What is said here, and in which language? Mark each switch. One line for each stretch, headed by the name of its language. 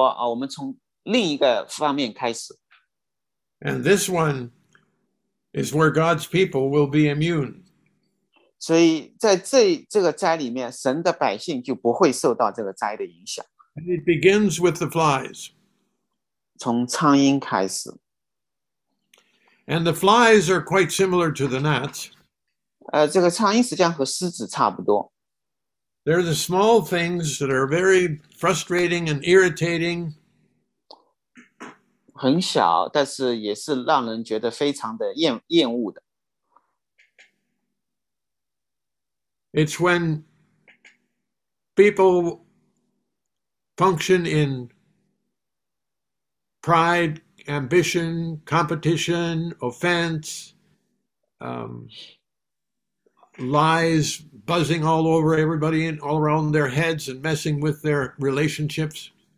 Chinese: 所以就有点像说，我们从另一个方面开始。
English: And this one is where God's people will be immune.
Chinese: 所以在这个灾里面，神的百姓就不会受到这个灾的影响。
English: And it begins with the flies.
Chinese: 从苍蝇开始。
English: And the flies are quite similar to the gnats.
Chinese: 这个苍蝇实际上和狮子差不多。
English: They're the small things that are very frustrating and irritating.
Chinese: 很小, 但是也是让人觉得非常的厌恶的。
English: It's when people function in pride, ambition, competition, offense, lies buzzing all over everybody and all around their heads and messing with their relationships.